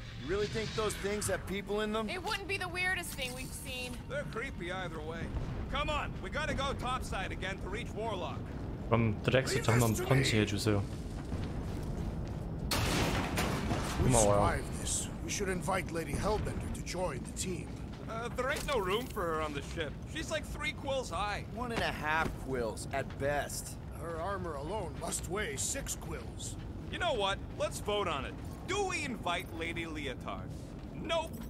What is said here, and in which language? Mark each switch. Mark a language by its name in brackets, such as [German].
[English] It wouldn't be the weirdest thing we've seen. They're creepy either way. Come on, we gotta go topside again to reach Warlock. [Korean] 그럼 드렉스 한번 펀치해 주세요. 고마워요. [English] We should invite Lady Hellbender to join the team. There ain't no room for her on the ship. She's like 3 quills high. 1.5 quills at best. Her armor alone must weigh 6 quills. You know what? Let's vote on it. Do we invite Lady Leotard? Nope.